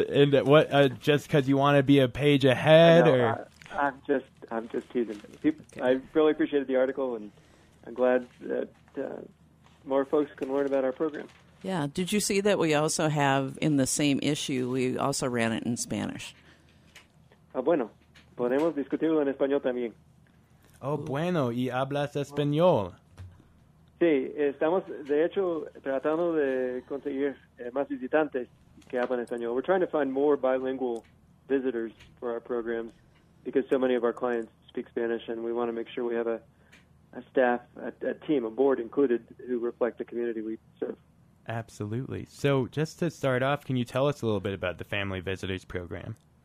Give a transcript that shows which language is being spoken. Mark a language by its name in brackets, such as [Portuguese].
[English] And what, just because you want to be a page ahead? No, or? I'm just teasing. Okay. I really appreciated the article, and I'm glad that more folks can learn about our program. Yeah. Did you see that we also have, in the same issue, we also ran it in Spanish? [Spanish] Ah, bueno. Podemos discutirlo en español también. Oh, bueno. ¿Y hablas español? Sí. Estamos, de hecho, tratando de conseguir más visitantes que hablan español. [English] We're trying to find more bilingual visitors for our programs because so many of our clients speak Spanish, and we want to make sure we have a staff, a team, a board included, who reflect the community we serve. Absolutely. So just to start off, can you tell us a little bit about the Family Visitors Program?